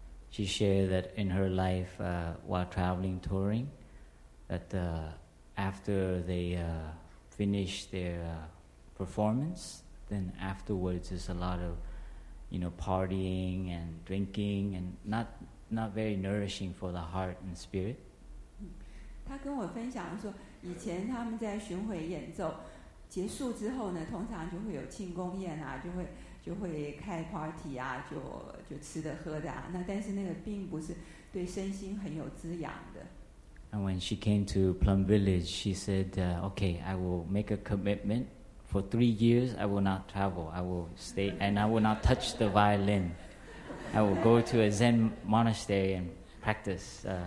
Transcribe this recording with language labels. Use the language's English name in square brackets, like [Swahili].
[English] She shared that in her life, while traveling touring, that after they finish their performance, then afterwards is a lot of, you know, partying and drinking, and not very nourishing for the heart and spirit. [Chinese] 他跟我分享说，以前他们在巡回演奏结束之后呢，通常就会有庆功宴啊，就会开 party 啊，就吃的喝的啊，那但是那个并不是对身心很有滋养的。 [English] And when she came to Plum Village, she said, okay, I will make a commitment. For 3 years, I will not travel. I will stay, and I will not touch the violin. I will go to a Zen monastery and practice.